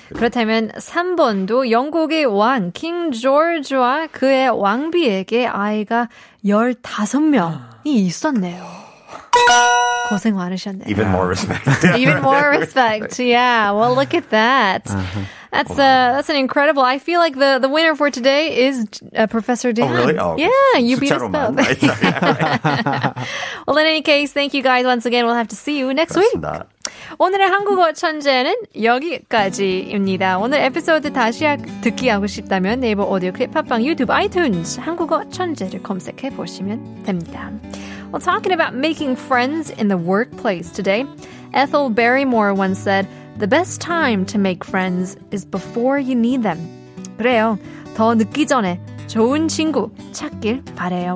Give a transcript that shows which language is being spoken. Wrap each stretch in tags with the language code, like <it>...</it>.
<ko>그렇다면 3번도 영국의 왕, 킹 조지와 그의 왕비에게 아이가 15명이 있었네요. 고생 많으셨네요.</ko> <en>Even more respect. Even more respect, yeah. Well, look at that. Uh-huh. That's that's an incredible. I feel like the winner for today is Professor Dan. Oh, really? Oh, yeah, you beat us both. Well, in any case, thank you guys once again. We'll have to see you next</en> <ko>그렇습니다.</ko> <en>week.</en> <ko>오늘의 한국어 천재는 여기까지입니다. 오늘 에피소드 다시 듣기 하고 싶다면 네이버 오디오 클립, 팟빵, 유튜브, 아이튠즈 한국어 천재를 검색해 보시면 됩니다.</ko> <en>Well, talking about making friends in the workplace today, Ethel Barrymore once said, "The best time to make friends is before you need them."</en> <ko>그래요. 더 늦기 전에 좋은 친구 찾길 바래요.</ko>